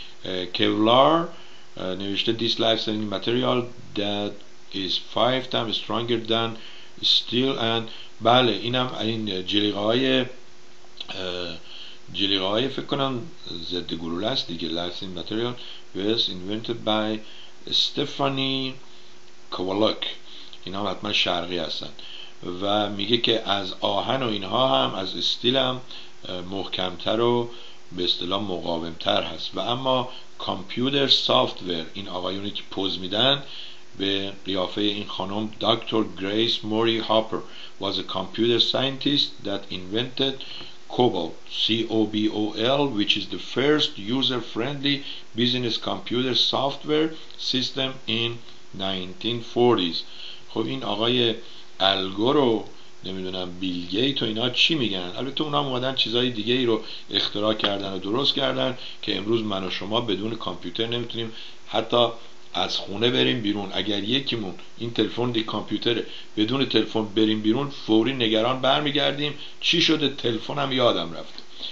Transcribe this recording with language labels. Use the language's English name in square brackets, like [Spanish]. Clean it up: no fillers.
[Persian] کولار نوشته [English] This life-saving material that is 5 times stronger than steel and [Persian] بله، اینم این جلیقه‌های فکر کنم ضد گلوله است دیگه. [English] Life-saving material was invented by [Persian] استفانی کوالک، اینا حتما شرقی هستن، و میگه که از آهن و اینها هم از استیل هم محکمتر و به اصطلاح مقاومتر هست. و اما کامپیوتر سافتویر، این آقایونی که پوز میدن به قیافه این خانم، دکتر گریس موری هاپر [English] was a computer scientist that invented COBOL, COBOL, which is the first user-friendly business computer software system in 1940s. [Persian] خب این آقای الگورو، نمیدونم بیل گیت و اینا چی میگن، البته اونا هم اومدن چیزای دیگه ای رو اختراع کردن و درست کردن که امروز من و شما بدون کامپیوتر نمیتونیم حتی از خونه بریم بیرون. اگر یکیمون این تلفن دی کامپیوتره بدون تلفن بریم بیرون، فوری نگران برمیگردیم چی شده، تلفنم یادم رفت.